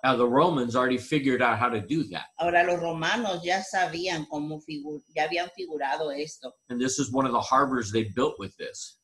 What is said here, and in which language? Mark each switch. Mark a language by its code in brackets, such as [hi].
[en] Now the Romans already figured out how to do that. [es] Ahora los romanos ya sabían cómo ya habían figurado esto. [en] And this is one of the harbors they built with this.